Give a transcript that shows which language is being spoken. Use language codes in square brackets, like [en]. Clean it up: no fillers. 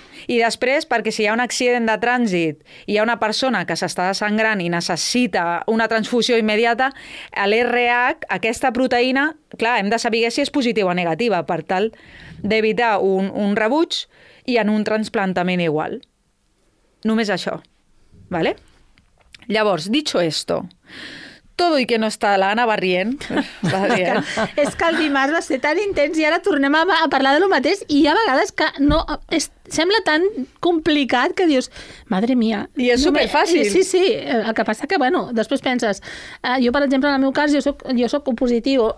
[ca] I després, perquè si hi ha un accident de trànsit i hi ha una persona que s'està desangrant i necessita una transfusió immediata, a l'RH, aquesta proteïna, clar, hem de saber si és positiva o negativa per tal d'evitar un rebuig i en un trasplantament igual. Només això. ¿Vale? [es] Llavors, dicho esto, todo y que no está la Ana barrient. [ca] És que el dimarts va ser tan intens i ara tornem a parlar de lo mateix i hi ha vegades que no... Sembla tan complicat que dius, [es] madre mia... [ca] I és superfàcil. Sí, sí. El que passa que, bueno, després penses... jo, per exemple, en el meu cas, jo soc positiu.